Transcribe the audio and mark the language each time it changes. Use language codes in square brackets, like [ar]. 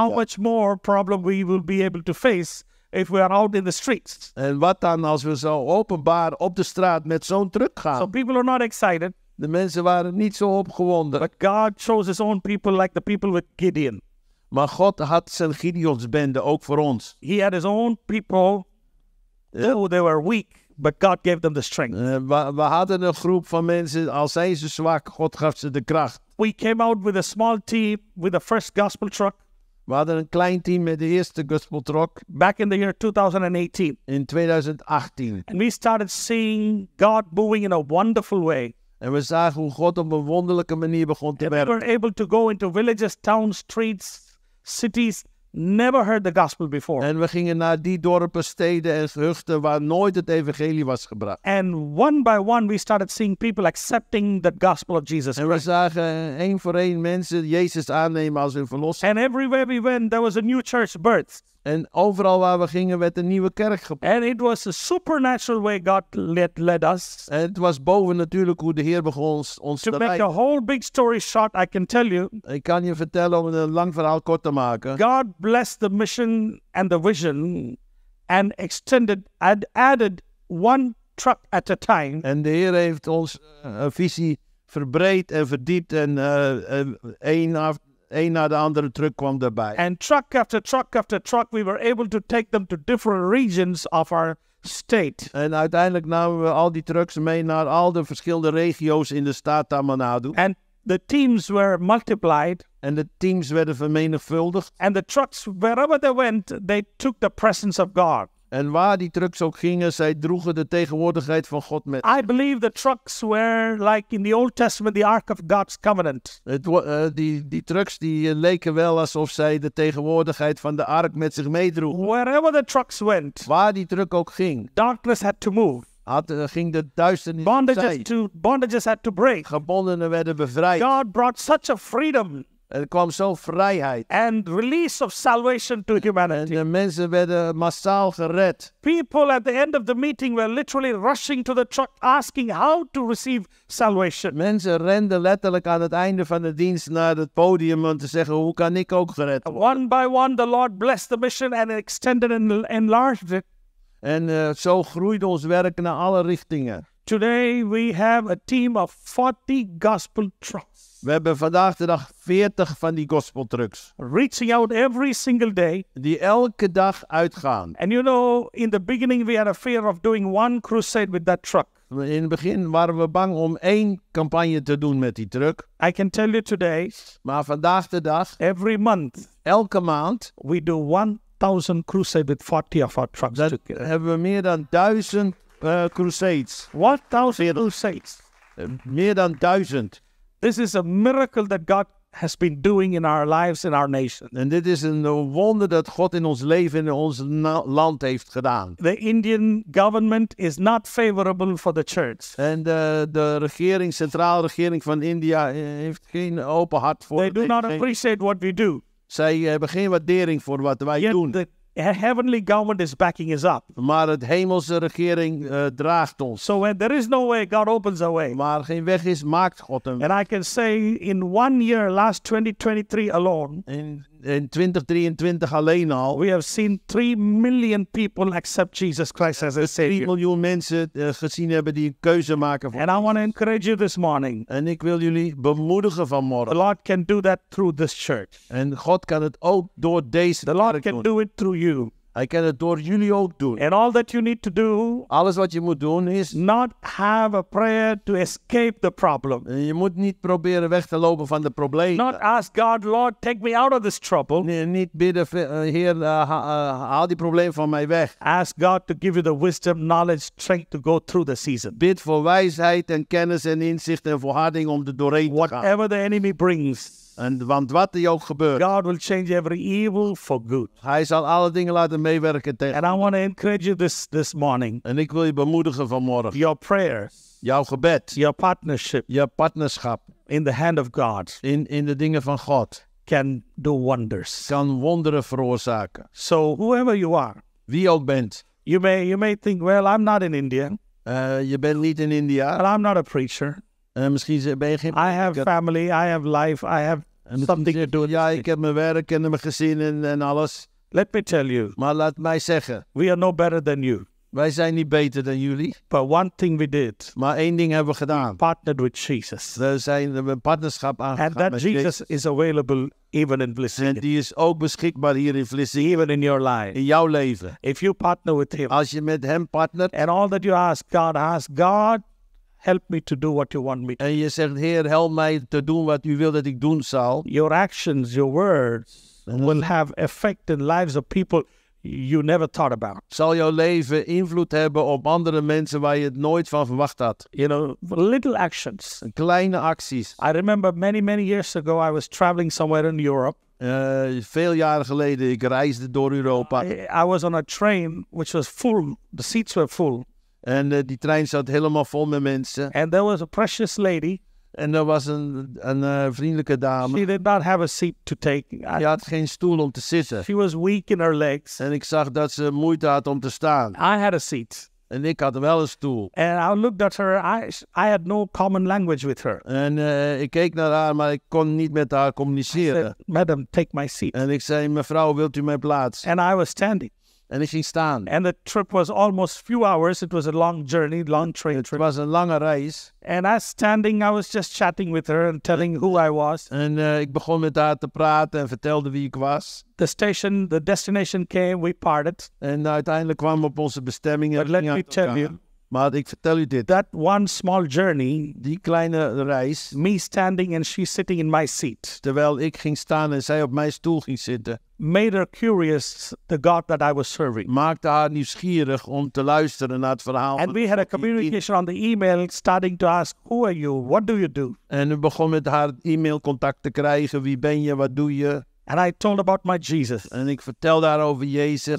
[en] How much more problem we will be able to face if we are out in the streets. [nl] En wat dan als we zo openbaar op de straat met zo'n truck gaan? [en] So people are not excited. [nl] De mensen waren niet zo opgewonden. [en] But God chose his own people like the people with Gideon. [nl] Maar God had zijn Gideons bende ook voor ons. [en] He had his own people. Though they were weak, but God gave them the strength. [nl] We hadden een groep van mensen, al zijn ze zwak, God gaf ze de kracht. [en] We came out with a small team with the first gospel truck. [nl] We hadden een klein team met de eerste gospel truck. [en] Back in the year 2018. [nl] In 2018. [en] And we started seeing God moving in a wonderful way. [nl] En we zagen hoe God op een wonderlijke manier begon te werken. [en] We were able to go into villages, towns, streets, cities, never heard the gospel before. [nl] En we gingen naar die dorpen, steden en gehuchten waar nooit het evangelie was gebracht. [en] And one by one we started seeing people accepting the gospel of Jesus. [nl] En we zagen één voor één mensen Jezus aannemen als hun verlosser. [en] And everywhere we went there was a new church birthed. [nl] En overal waar we gingen werd een nieuwe kerk gebouwd. [en] And it was a supernatural way God led us. [nl] En het was boven natuurlijk hoe de Heer begon ons te leiden. [en] To make a whole big story short, I can tell you. [nl] Ik kan je vertellen om een lang verhaal kort te maken. [en] God blessed the mission and the vision and extended and added one truck at a time. [nl] En de Heer heeft ons een visie verbreed en verdiept en Eén na de andere truck kwam erbij. [en] And truck after truck after truck, we were able to take them to different regions of our state. [nl] En uiteindelijk namen we al die trucks mee naar al de verschillende regio's in de staat Tamil Nadu. [en] And the teams were multiplied. [nl] En de teams werden vermenigvuldigd. [en] And the trucks, wherever they went, they took the presence of God. [nl] En waar die trucks ook gingen, zij droegen de tegenwoordigheid van God met. [en] I believe the trucks were like in the Old Testament, the Ark of God's Covenant. [nl] Die trucks die leken wel alsof zij de tegenwoordigheid van de ark met zich meedroegen. [en] Wherever the trucks went. [nl] Waar die truck ook ging. [en] Darkness had to move. [nl] Ging de duisternis [en] bondages had to break. [nl] Gebondenen werden bevrijd. [en] God brought such a freedom. [nl] Er kwam zo vrijheid. [en] And release of salvation to humanity. [nl] En de mensen werden massaal gered. [en] People at the end of the meeting were literally rushing to the truck asking how to receive salvation. [nl] Mensen renden letterlijk aan het einde van de dienst naar het podium om te zeggen hoe kan ik ook gered worden. [en] One by one the Lord blessed the mission and extended and enlarged it. [nl] En zo groeide ons werk naar alle richtingen. [en] Today we have a team of 40 gospel trucks. [nl] We hebben vandaag de dag 40 van die gospel trucks. [en] Reaching out every single day. [nl] Die elke dag uitgaan. [en] And you know, in the beginning we had a fear of doing one crusade with that truck. [nl] In het begin waren we bang om één campagne te doen met die truck. [en] I can tell you today. [nl] Maar vandaag de dag. [en] Every month. [nl] Elke maand. [en] We do 1,000 crusades with 40 of our trucks together. [nl] Hebben we meer dan 1,000 crusades. [en] 1,000 crusades. [nl] Meer dan 1,000. [en] This is a miracle that God has been doing in our lives and our nation. [nl] En dit is een wonder dat God in ons leven en ons land heeft gedaan. [en] The Indian government is not favorable for the church. [nl] En de regering, centrale regering van India heeft geen open hart voor. [en] They do not appreciate what we do. [nl] Zij hebben geen waardering voor wat wij [en] Yet [nl] doen. [en] The heavenly government is backing us up. [nl] Maar het hemelse regering draagt ons. [en] So when there is no way, God opens a way. [nl] Maar geen weg is, maakt God een. [en] And I can say in 1 year, last 2023 alone. [nl] In 2023 alleen al. [en] We have seen 3 million people accept Jesus Christ as a Savior. [nl] 3 miljoen mensen gezien hebben die een keuze maken voor. [en] And I want to encourage you this morning. [nl] En ik wil jullie bemoedigen vanmorgen. [en] The Lord can do that through this church. [nl] En God kan het ook door deze. [en] The Lord [nl] kerk [en] can [nl] doen. [en] Do it through you. [nl] Hij kan het door jullie ook doen. [en] And all that you need to do, [nl] alles wat je moet doen is [en] not have a prayer to escape the problem. [nl] Je moet niet proberen weg te lopen van de problemen. [en] Not ask God, Lord, take me out of this trouble. [nl] Niet bidden, Heer, haal die problemen van mij weg. [en] Ask God to give you the wisdom, knowledge, strength to go through the season. [nl] Bid voor wijsheid en kennis en inzicht en volharding om er doorheen te gaan. [en] Whatever the enemy brings. [nl] En want wat er ook gebeurt. [en] God will change every evil for good. [nl] Hij zal alle dingen laten meewerken tegen. [en] And I want to encourage you this morning. [nl] En ik wil je bemoedigen vanmorgen. [en] Your prayer. [nl] Jouw gebed. [en] Your partnership. [nl] Je partnerschap. [en] In the hand of God. [nl] In de dingen van God. [en] Can do wonders. [nl] Kan wonderen veroorzaken. [en] So whoever you are. [nl] Wie ook bent. [en] You may think, well, I'm not in India. [nl] Je bent niet in India. [en] But I'm not a preacher. [nl] Misschien ben je geen. [en] I have family, I have life, I have something to do. [nl] Ja, ik heb mijn werk en mijn gezin en alles. [en] Let me tell you. [nl] Maar laat mij zeggen. [en] We are no better than you. [nl] Wij zijn niet beter dan jullie. [en] But one thing we did. [nl] Maar één ding hebben we gedaan. [en] We partnered with Jesus. [nl] We zijn een partnerschap aangegaan met Jesus. [en] And that Jesus is available even in Vlissingen. [nl] En die is ook beschikbaar hier in Vlissingen. [en] Even in your life. [nl] In jouw leven. [en] If you partner with him. [nl] Als je met hem partnert. [en] And all that you ask God. Help me to do what you want me to. [nl] En je zegt, Heer, help mij te doen wat u wil dat ik doen zal. [en] Your actions, your words will have effect in lives of people you never thought about. [nl] Zal jouw leven invloed hebben op andere mensen waar je het nooit van verwacht had. [en] You know, little actions. [nl] Kleine acties. [en] I remember many, many years ago I was traveling somewhere in Europe. [nl] Veel jaren geleden, ik reisde door Europa. [en] I was on a train which was full. The seats were full. [nl] En die trein zat helemaal vol met mensen. [en] And there was a precious lady. [nl] En er was een vriendelijke dame. [en] She did not have a seat to take. [nl] Die had geen stoel om te zitten. [en] She was weak in her legs. [nl] En ik zag dat ze moeite had om te staan. [en] I had a seat. [nl] En ik had wel een stoel. [en] And I looked at her. I had no common language with her. [nl] En ik keek naar haar, maar ik kon niet met haar communiceren. [en] I said, madam, take my seat. [nl] En ik zei, mevrouw, wilt u mijn plaats? [en] And I was standing. [nl] En ik ging staan. [en] And the trip was almost few hours. It was a long journey, long train trip. [nl] Het was een lange reis. [en] And as standing, I was just chatting with her and telling who I was. [nl] En ik begon met haar te praten en vertelde wie ik was. [en] The station, the destination came, we parted. [nl] En uiteindelijk kwamen we op onze bestemming. [en] But let me tell you. [nl] Maar ik vertel u dit. [en] That one small journey. [nl] Die kleine reis. [en] Me standing and she sitting in my seat. [nl] Terwijl ik ging staan en zij op mijn stoel ging zitten. [en] Made her curious the God that I was serving. [nl] Maakte haar nieuwsgierig om te luisteren naar het verhaal. [en] And we had a communication on the email starting to ask, who are you? What do you do? [nl] En we begon met haar e-mail contact te krijgen. Wie ben je? Wat doe je? [en] And I told about my Jesus. [nl] En ik vertel daar over Jezus.